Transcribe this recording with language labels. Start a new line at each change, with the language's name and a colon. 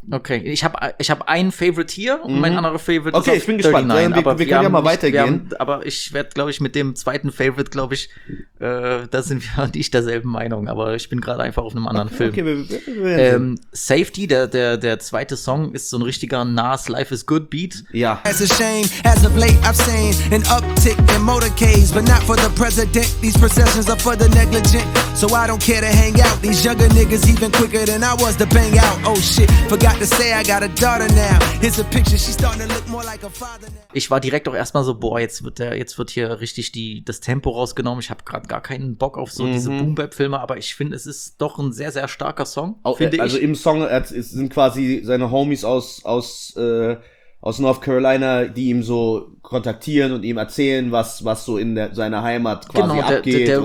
German: Okay, ich hab einen Favorite hier und mein anderer Favorite ist auf 39. Okay, ich bin gespannt. 39, aber wir können ja mal weitergehen. Aber ich werde, glaube ich, mit dem zweiten Favorite, glaube ich, da sind wir und ich derselben Meinung. Aber ich bin gerade einfach auf einem anderen Film. Okay, Safety, der zweite Song, ist so ein richtiger Nas Life is Good Beat. Ja.
English: As a shame, as of late I've seen an uptick in motorcades, but not for the president. These processions are for the negligent, so I don't care to hang out. These younger niggas even quicker than I was to bang out. Oh shit, forgot to say I got a daughter now. Here's a picture, she's starting to look more like a father now.
German: Ich war direkt auch erstmal so, boah, jetzt wird hier richtig das Tempo rausgenommen. Ich habe gerade gar keinen Bock auf so diese Boom-Bap-Filme, aber ich finde, es ist doch ein sehr, sehr starker Song. Im Song sind quasi seine Homies aus North Carolina, die ihm so kontaktieren und ihm erzählen, was so in seiner Heimat quasi abgeht.